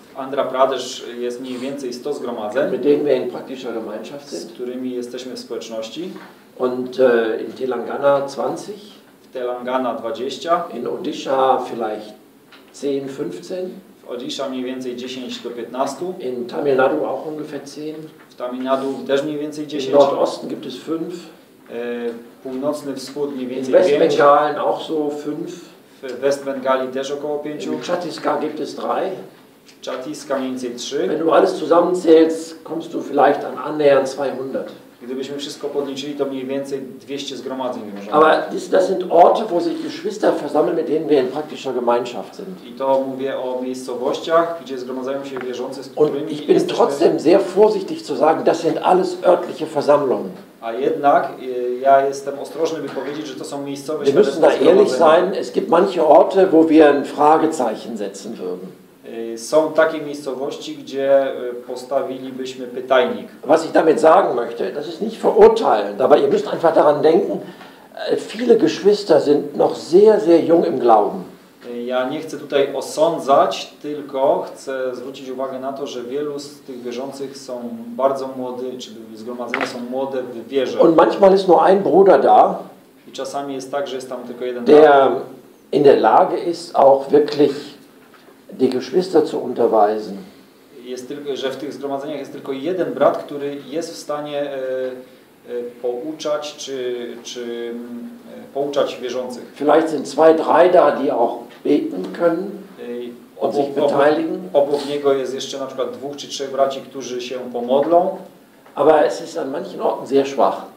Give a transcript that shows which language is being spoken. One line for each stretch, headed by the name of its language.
Polish: Andhra Pradesh jest mniej więcej 100 zgromadzeń,
German: mit denen wir in praktischer Gemeinschaft sind.
Polish: Z którymi jesteśmy w społeczności.
German: Und in Telangana 20.
Polish: W Telangana 20.
German: In Odisha vielleicht 10-15.
Polish: W Odisha mniej więcej 10-15.
German: In Tamil Nadu auch ungefähr 10.
Polish: W Tamil Nadu też mniej więcej 10.
German: In Nordosten gibt es 5.
Polish: Północny wschód mniej więcej 5.
German: In Westbengalen auch so 5.
Polish: W Westbengalii też około 5.
German: In Chhattisgarh gibt es 3.
Polish: W Chhattisgarh mniej więcej 3.
German: Wenn du alles zusammenzählst, kommst du vielleicht an annähernd 200.
Polish: Gdybyśmy wszystko podliczyli, to mniej więcej 200 zgromadzeń możemy.
German: Aber das sind Orte, wo sich Geschwister versammeln, mit denen wir in praktischer Gemeinschaft sind.
Polish: I to mówię o miejscowościach, gdzie zgromadzają się wierzący, z którymi
German: Und ich bin
Polish: jesteśmy...
German: trotzdem sehr vorsichtig zu sagen, das sind alles örtliche Versammlungen.
Polish: A jednak ja jestem ostrożny, by powiedzieć, że to są miejscowe.
German: Wir müssen da ehrlich sein, es gibt manche Orte, wo wir ein Fragezeichen setzen würden.
Polish: Są takie miejscowości, gdzie postawilibyśmy pytajnik.
German: Was ich damit sagen möchte, das ist nicht verurteilend, aber ihr müsst einfach daran denken, viele Geschwister sind noch sehr, sehr jung im Glauben.
Polish: Ja nie chcę tutaj osądzać, tylko chcę zwrócić uwagę na to, że wielu z tych wierzących są bardzo młody, czy zgromadzeni są młode w wierze.
German: Und manchmal ist nur ein Bruder da.
Polish: I czasami jest tak, że jest tam tylko jeden.
German: Der in der Lage ist auch wirklich die Geschwister zu unterweisen.
Polish: Jest tylko, że w tych zgromadzeniach jest tylko jeden brat, który jest w stanie pouczać czy pouczać wierzących.
German: Vielleicht sind zwei, drei da, die auch beten können und sich beteiligen.
Polish: Obok niego jest jeszcze na przykład dwóch czy trzech braci, którzy się pomodlą.
German: Aber es ist an manchen Orten sehr schwach.